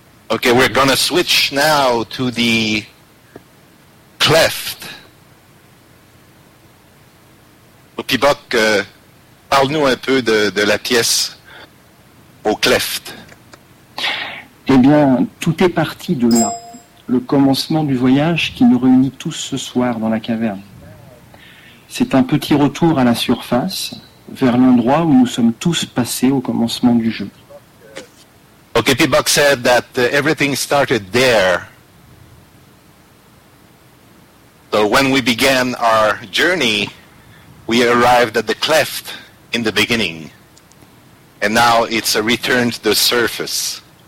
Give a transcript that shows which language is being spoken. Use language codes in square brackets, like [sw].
[en] Okay, we're going to switch now to the cleft. [fr] Puis Buck, parle-nous un peu de la pièce au cleft. Eh bien, tout est parti de là, le commencement du voyage qui nous réunit tous ce soir dans la caverne. C'est un petit retour à la surface, vers l'endroit où nous sommes tous passés au commencement du jeu. [en] Okay, P-Buck said that everything started there. So when we began our journey, we arrived at the cleft in the beginning. And now it's a return to the surface.